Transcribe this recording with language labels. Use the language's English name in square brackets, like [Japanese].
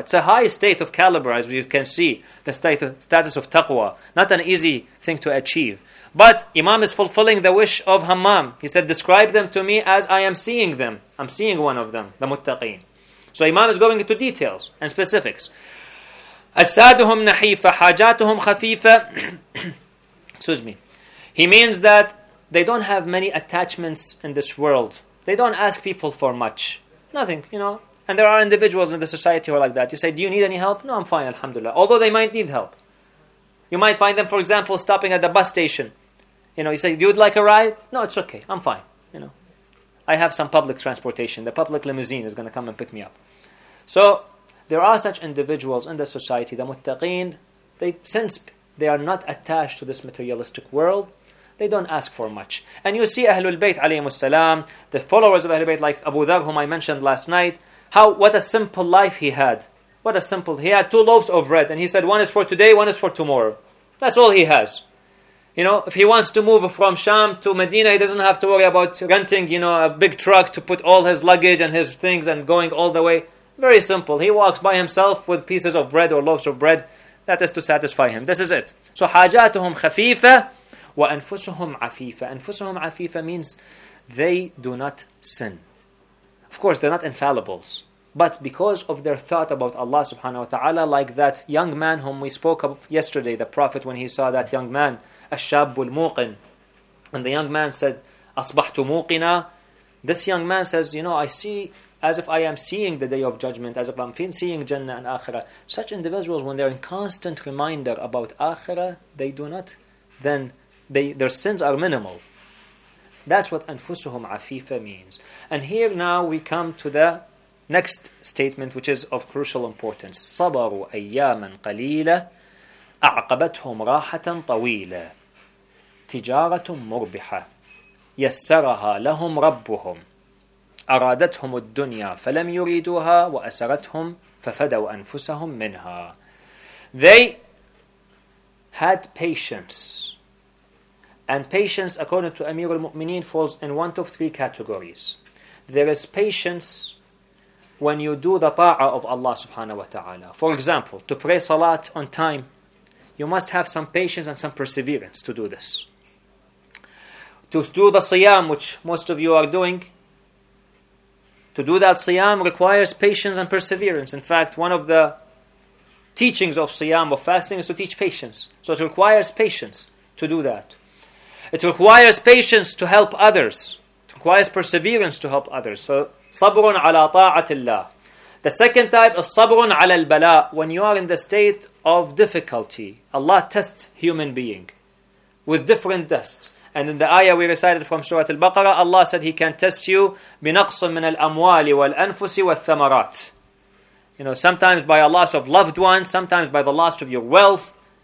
[English] It's a high state of caliber, as you can see, the status of taqwa. Not an easy thing to achieve. But Imam is fulfilling the wish of Hammam. He said, describe them to me as I am seeing them. I'm seeing one of them, the muttaqeen. So Imam is going into details and specifics. [Arabic] أجسادهم نحيفة حاجاتهم خفيفة. [English] Excuse me. He means that they don't have many attachments in this world. They don't ask people for much. Nothing, you know. And there are individuals in the society who are like that. You say, do you need any help? No, I'm fine, alhamdulillah. Although they might need help. You might find them, for example, stopping at the bus station. You know, you say, you'd like a ride? No, it's okay, I'm fine. You know, I have some public transportation. The public limousine is going to come and pick me up. So there are such individuals in the society, the muttaqeen, since they are not attached to this materialistic world, they don't ask for much. And you see Ahlul Bayt, alayhim as-salam, the followers of Ahlul Bayt, like Abu Dharr, whom I mentioned last night, what a simple life he had. What a simple, he had two loaves of bread, and he said, one is for today, one is for tomorrow. That's all he has. You know, if he wants to move from Sham to Medina, he doesn't have to worry about renting, you know, a big truck to put all his luggage and his things and going all the way. Very simple. He walks by himself with pieces of bread or loaves of bread. That is to satisfy him. This is it. [Arabic] So, حاجاتهم خفيفة وأنفسهم عفيفة. أنفسهم عفيفة [English] means they do not sin. Of course, they're not infallibles. But because of their thought about Allah subhanahu wa ta'ala, like that young man whom we spoke of yesterday, the Prophet, when he saw that young man, Ash-Shabbul Muqin, and the young man said, [Arabic] Asbahtu Muqina, [English] this young man says, you know, I see as if I am seeing the Day of Judgment, as if I'm seeing Jannah and Akhirah. Such individuals, when they're in constant reminder about Akhirah, they do not, then their sins are minimal. That's what [Arabic] anfusuhum afifa [English] means. And here now we come to the next statement, which is of crucial importance. [Arabic] صبروا أياما قليلة أعقبتهم راحة طويلة تجارة مربحة يسرها لهم ربهم أرادتهم الدنيا فلم يريدوها وأسرتهم ففدوا أنفسهم منها. [English] They had patience. And patience, according to Amir al-Mu'mineen, falls in one of three categories. There is patience when you do the ta'a of Allah subhanahu wa ta'ala. For example, to pray salat on time, you must have some patience and some perseverance to do this. To do the siyam, which most of you are doing, to do that siyam requires patience and perseverance. In fact, one of the teachings of siyam, of fasting, is to teach patience. So it requires patience to do that. It requires patience to help others. It requires perseverance to help others. [Arabic] So, صَبْرٌ عَلَىٰ طَاعَةِ اللَّهِ. [English] The second type is [Arabic] صَبْرٌ عَلَىٰ الْبَلَاءِ. [English] When you are in the state of difficulty, Allah tests human being with different tests. And in the ayah we recited from Surah Al-Baqarah, Allah said He can test you [Arabic] بِنَقْصٍ مِنَ الْأَمْوَالِ وَالْأَنفُسِ وَالثَّمَرَاتِ. [English] You know, sometimes by a loss of loved ones, sometimes by the loss of your wealth.